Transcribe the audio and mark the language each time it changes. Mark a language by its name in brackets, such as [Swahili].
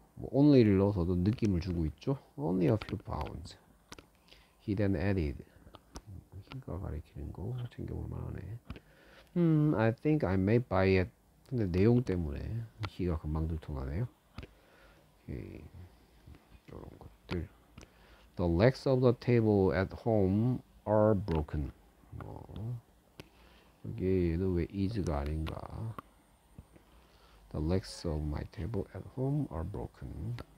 [Korean] 뭐 only를 넣어서도 느낌을 주고 있죠. [English] Only a few pounds. He then added. [Korean] 힌트가 가리키는 거 챙겨볼 만하네. [English] I think I may buy it. [Korean] 근데 내용 때문에 he가 금방 들통나네요. 이런 것들. [English] The legs of the table at home are broken. [Korean] 뭐 이게 얘도 왜 is가 아닌가? [English] The legs of my table at home are broken.